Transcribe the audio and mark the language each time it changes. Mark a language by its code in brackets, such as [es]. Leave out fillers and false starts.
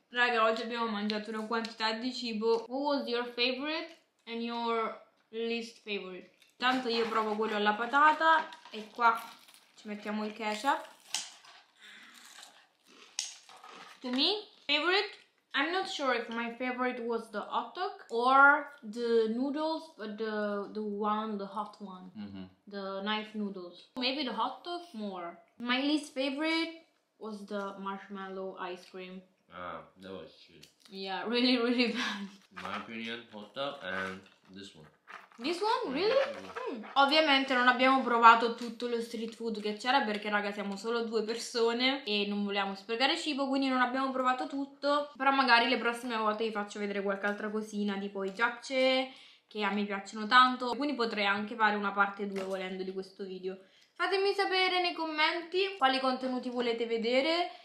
[it] Raga, oggi abbiamo mangiato una quantità di cibo. [en] What was your favorite and your least favorite? [it] Intanto io provo quello alla patata e qua ci mettiamo il ketchup. [en] To me, favorite, I'm not sure if my favorite was the hotdog or the noodles, but the hot one, the knife noodles. Maybe the hotdog more. My least favorite was the marshmallow ice cream. Ah, that was shit. Yeah, really, really bad. My opinion, hotdog and this one. This one? Really? [it] Ovviamente non abbiamo provato tutto lo street food che c'era perché, raga, siamo solo due persone e non vogliamo sprecare cibo, quindi non abbiamo provato tutto. Però magari le prossime volte vi faccio vedere qualche altra cosina, tipo i japchae, che a me piacciono tanto. Quindi potrei anche fare una parte 2 volendo di questo video. Fatemi sapere nei commenti quali contenuti volete vedere,